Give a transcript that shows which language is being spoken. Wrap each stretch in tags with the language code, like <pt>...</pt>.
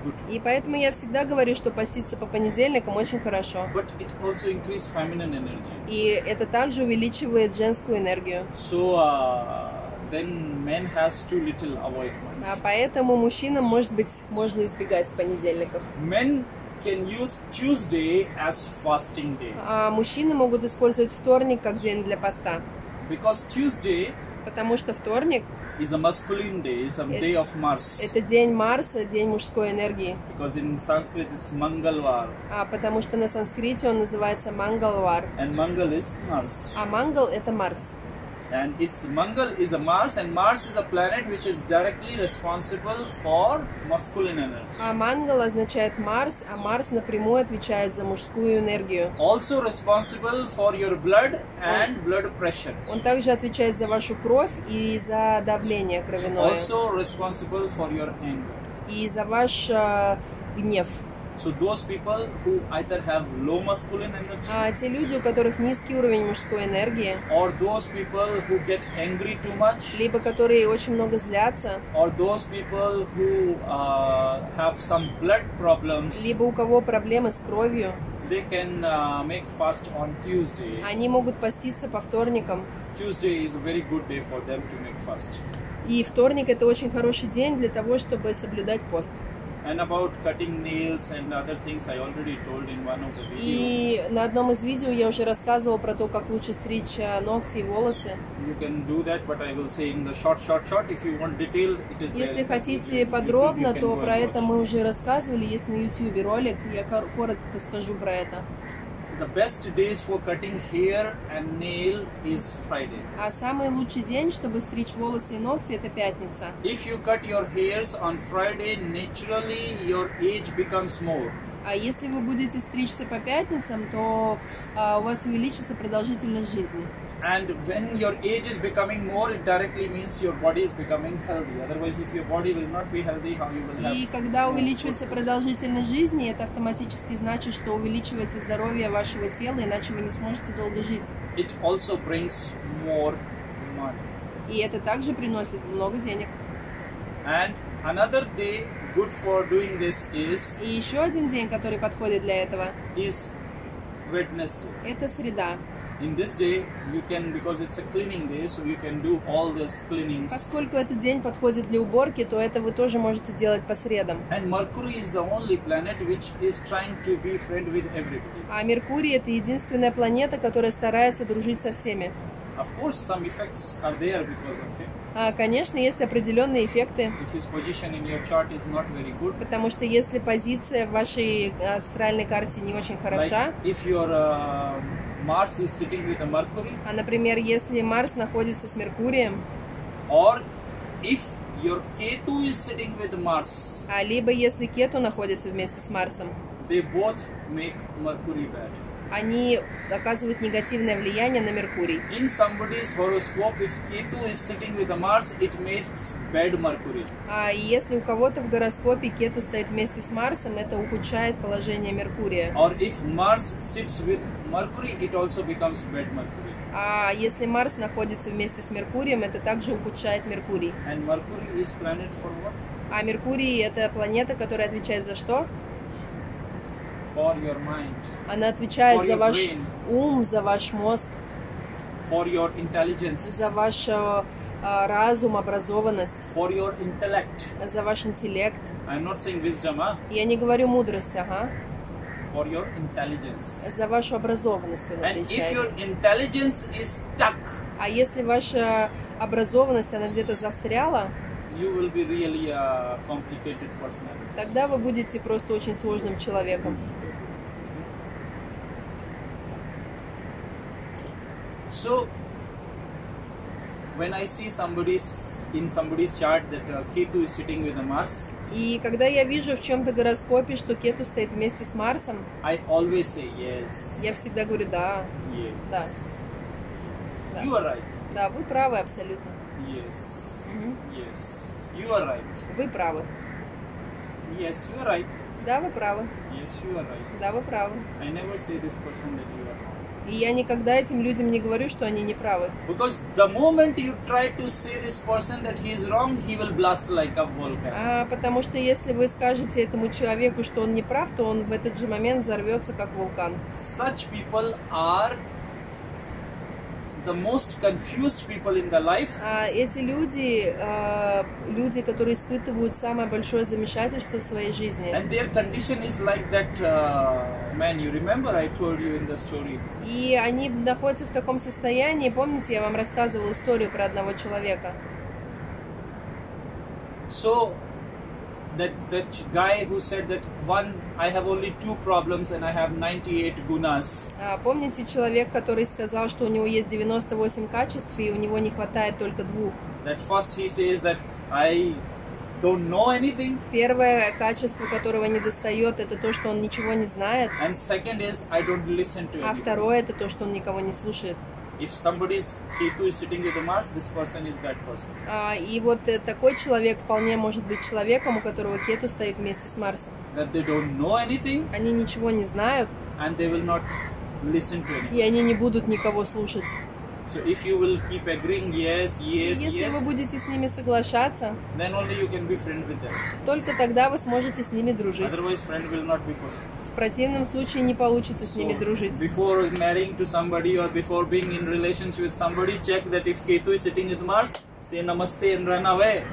<ru>И поэтому я всегда говорю, что поститься по понедельникам очень хорошо.</ru> <en>But it also increases feminine energy.</en> <ru>И это также увеличивает женскую энергию.</ru> <en>So, then men has to little avoid Monday.</en> <ru>Поэтому мужчинам, может быть, можно избегать понедельников.</ru> <en>Men can use Tuesday as fasting day.</en> <ru>Мужчины могут использовать вторник как день для поста.</ru> <en>Because Tuesday.</en> <ru>Потому что вторник.</ru> <en>Is a masculine day. Is a day of Mars.</en> <ru>Это день Марса, день мужской энергии.</ru> <en>Because in Sanskrit it's Mangalvar.</en> <ru>Потому что на санскрите он называется Mangalvar.</ru> <en>And Mangal is Mars.</en> <ru>Mangal — это Марс.</ru> <en>And it's Mangal is a Mars, and Mars is a planet which is directly responsible for masculine energy.</en> <ru>Mangal означает Марс, а Марс напрямую отвечает за мужскую энергию.</ru> <en>Also responsible for your blood and blood pressure.</en> <ru>Он также отвечает за вашу кровь и за давление кровяное.</ru> <en>Also responsible for your anger.</en> <ru>И за ваш гнев.</ru> <en>So those people who either have low masculine energy.</en> <ru>Те люди, у которых низкий уровень мужской энергии.</ru> <en>Or those people who get angry too much.</en> <ru>Либо которые очень много злятся.</ru> <en>Or those people who have some blood problems.</en> <ru>Либо у кого проблемы с кровью.</ru> <en>They can make fast on Tuesday.</en> <ru>Они могут поститься по вторникам.</ru> <en>Tuesday is a very good day for them to make fast.</en> <ru>И вторник — это очень хороший день для того, чтобы соблюдать пост.</ru> <en>And about cutting nails and other things I already told in one of the videos.</en> <ru>И на одном из видео я уже рассказывал про то, как лучше стричь ногти и волосы.</ru> <en>You can do that, but I will say in the short. If you want detail, it is.</en> <ru>Если</ru> <en>there.</en> <ru>Хотите</ru> <en>if</en> <ru>подробно, YouTube, то про это</ru> <en>watch.</en> <ru>Мы уже рассказывали. Есть на YouTube ролик. Я коротко скажу про это.</ru> <en>The best days for cutting hair and nail is Friday.</en> <ru>Самый лучший день, чтобы стричь волосы и ногти, это пятница.</ru> <en>If you cut your hairs on Friday, naturally your age becomes more.</en> <ru>Если вы будете стричься по пятницам, то у вас увеличится продолжительность жизни.</ru> <en>And when your age is becoming more, it directly means your body is becoming healthy. Otherwise, if your body will not be healthy, how you will have...</en> <ru>И когда увеличивается продолжительность жизни, это автоматически значит, что увеличивается здоровье вашего тела, иначе вы не сможете долго жить.</ru> <en>It also brings more money.</en> <ru>И это также приносит много денег.</ru> <en>And another day good for doing this is...</en> <ru>И еще один день, который подходит для этого...</ru> <en>Is Wednesday.</en> <ru>Это среда.</ru> <en>In this day, you can, because it's a cleaning day, so you can do all this cleaning.</en> <ru>Поскольку этот день подходит для уборки, то это вы тоже можете делать по средам.</ru> <en>And Mercury is the only planet which is trying to be friend with everybody.</en> <ru>А Меркурий — это единственная планета, которая старается дружить со всеми.</ru> <en>Of course, some effects are there because of him.</en> <ru>А, конечно, есть определенные эффекты.</ru> <en>If his position in your chart is not very good.</en> <ru>Потому что если позиция в вашей астральной карте не очень хороша.</ru> <en>Like if your Mars is sitting with the Mercury.</en> <ru>А, например, если Марс находится с Меркурием.</ru> <en>Or if your Ketu is sitting with Mars.</en> <ru>А либо если Кету находится вместе с Марсом.</ru> <en>They both make Mercury bad.</en> <ru>Они оказывают негативное влияние на Меркурий.</ru> <en>In somebody's horoscope, if Ketu is sitting with the Mars, it makes bad Mercury.</en> <ru>А если у кого-то в гороскопе Кету стоит вместе с Марсом, это ухудшает положение Меркурия.</ru> <en>Or if Mars sits with Mercury, it also becomes bad Mercury.</en> <ru>А если Марс находится вместе с Меркурием, это также ухудшает Меркурий.</ru> <en>And Mercury is planet for what?</en> <ru>А Меркурий — это планета, которая отвечает за что?</ru> <en>For your mind.</en> <ru>Она отвечает за ваш ум, за ваш мозг,</ru> <en>for your intelligence.</en> <ru>За ваш разум, образованность,</ru> <en>for your intellect.</en> <ru>За ваш интеллект.</ru> <en>I'm not saying wisdom,</en> <ru>Я не говорю мудрость,</ru> <en>For your intelligence.</en> <ru>За вашу образованность он отвечает.</ru> <en>And if your intelligence is stuck,</en> <ru>а если ваша образованность, она где-то застряла,</ru> <en>you will be really a complicated personality.</en> <ru>Тогда вы будете просто очень сложным человеком.</ru> <en>So, when I see somebody's in somebody's chart that Ketu is sitting with the Mars,</en> <ru>и когда я вижу в чем-то гороскопе, что Кету стоит вместе с Марсом,</ru> <en>I always say yes.</en> <ru>Я всегда говорю да.</ru> <en>Yes.</en> <ru>Да.</ru> <en>Yes. You are right.</en> <ru>Да, вы правы абсолютно.</ru> <en>Yes. Mm-hmm. Yes. You are right.</en> <ru>Вы правы.</ru> <en>Yes, you are right.</en> <ru>Да, вы правы.</ru> <en>Yes, you are right.</en> <ru>Да, вы правы.</ru> <en>I never say this person that you are right.</en> <ru>И я никогда этим людям не говорю, что они не правы.</ru> <en>Because the moment you try to say this person that he is wrong, he will blast like a volcano.</en> <ru>А потому что если вы скажете этому человеку, что он не прав, то он в этот же момент взорвется как вулкан.</ru> <en>Such people are the most confused people in the life.</en> <ru>А эти люди, люди, которые испытывают самое большое замешательство в своей жизни.</ru> <en>And their condition is like that man, you remember I told you in the story.</en> <ru>И они находятся в таком состоянии. Помните, я вам рассказывал историю про одного человека.</ru> <en>So that guy who said that one I have only two problems and I have 98 gunas.</en> <ru>А помните человек, который сказал, что у него есть 98 качеств и у него не хватает только двух?</ru> <en>That first he says that I don't know anything.</en> <ru>Первое качество, которого не достает, это то, что он ничего не знает.</ru> <en>And second is I don't listen to anything.</en> <ru>А второе — это то, что он никого не слушает.</ru> <en>If somebody's Ketu is sitting with the Mars, this person is that person.</en> <ru>И вот такой человек вполне может быть человеком, у которого Кету стоит вместе с Марсом.</ru> <en>That they don't know anything.</en> <ru>Они ничего не знают.</ru> <en>And they will not listen to anything.</en> <ru>И они не будут никого слушать.</ru> <en>So if you will keep agreeing, yes, yes,</en> <ru>если</ru> <en>yes.</en> <ru>Если вы будете с ними соглашаться,</ru> <en>then only you can be friend with them.</en> <ru>Только тогда вы сможете с ними дружить.</ru> <en>Otherwise, friend will not be possible.</en> <ru>В противном случае не получится с ними дружить.</ru> <en>Before marrying to somebody or before being in relationship with somebody, check that if Ketu is sitting with Mars, say namaste and run away.</en>